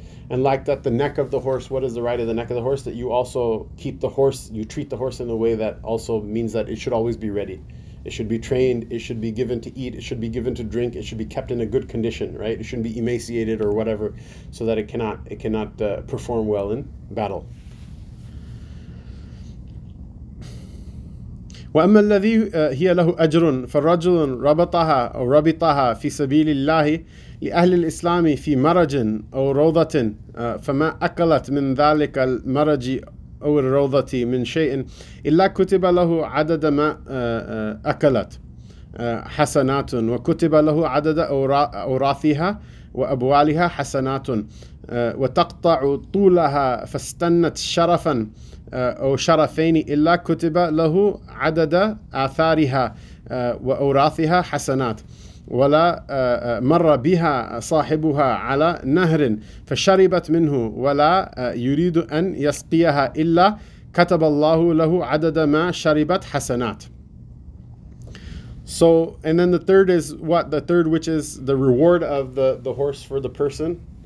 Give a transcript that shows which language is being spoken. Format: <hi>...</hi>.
<en>And like that, the neck of the horse, what is the right of the neck of the horse? That you also keep the horse, you treat the horse in a way that also means that it should always be ready. It should be trained, it should be given to eat, it should be given to drink, it should be kept in a good condition, right? It shouldn't be emaciated or whatever, so that it cannot perform well in battle.</en> <ar>وَأَمَّا الَّذِي هِيَ لَهُ أَجْرٌ فَالرَّجُلٌ رَبَطَهَا أَوْ رَبِطَهَا فِي سَبِيلِ اللَّهِ لِأَهْلِ الْإِسْلَامِ فِي مَرَجٍ أَوْ رَوْضَةٍ فَمَا أَكَلَتْ مِنْ ذَلِكَ الْمَرَجِ أَوْ الرَّوْضَةِ مِنْ شَيْءٍ إِلَّا كُتِبَ لَهُ عَدَدَ مَا أَكَلَتْ حَسَنَاتٌ وَكُتِبَ لَهُ عَدَدَ أَوْرَاثِهَا وَأَبْوَالِهَا حَسَنَاتٌ وَتَقْطَعُ طُولَهَا فَاسْتَنَّتْ شَرَفًا أو شرفين إلا كتب له عدد آثارها وأوراثها حسنات ولا مر بها صاحبها على نهر فشربت منه ولا يريد أن يسقيها إلا كتب الله له عدد ما شربت حسنات.</ar> <en>So, and then the third is what? The third, which is the reward of the horse for the person.</en>